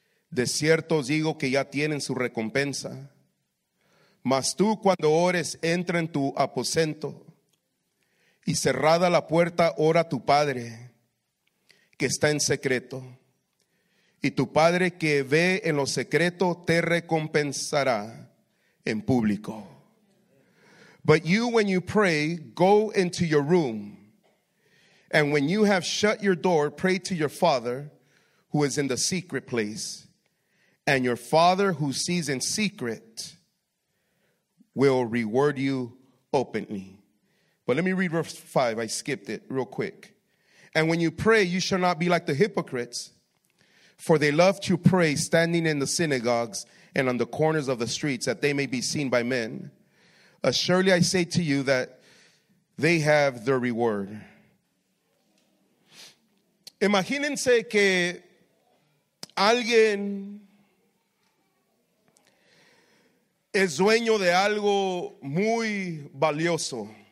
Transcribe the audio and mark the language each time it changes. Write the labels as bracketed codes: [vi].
[es] De cierto os digo que ya tienen su recompensa. Mas tú, cuando ores, entra en tu aposento y cerrada la puerta, ora a tu Padre que está en secreto. Y tu Padre que ve en lo secreto te recompensará en público. [en] But you, when you pray, go into your room. And when you have shut your door, pray to your Father who is in the secret place. And your Father who sees in secret will reward you openly. But let me read verse 5. I skipped it real quick. And when you pray, you shall not be like the hypocrites, for they love to pray standing in the synagogues and on the corners of the streets, that they may be seen by men. Assuredly, I say to you that they have their reward. [es] Imagínense que alguien es dueño de algo muy valioso.